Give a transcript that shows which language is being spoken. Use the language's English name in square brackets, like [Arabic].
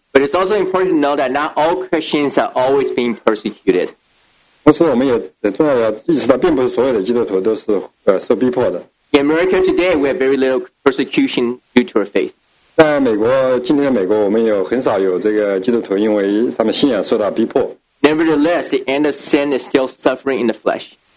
[English] But it's also important to know that not all Christians are always being persecuted. [Chinese] 同时，我们也重要的意识到，并不是所有的基督徒都是受逼迫的。 [English] In America today, we have very little persecution due to our faith. [Chinese] 在美国，今天的美国，我们有很少有这个基督徒因为他们信仰受到逼迫。 [English] Nevertheless, the end of sin is still suffering in the flesh.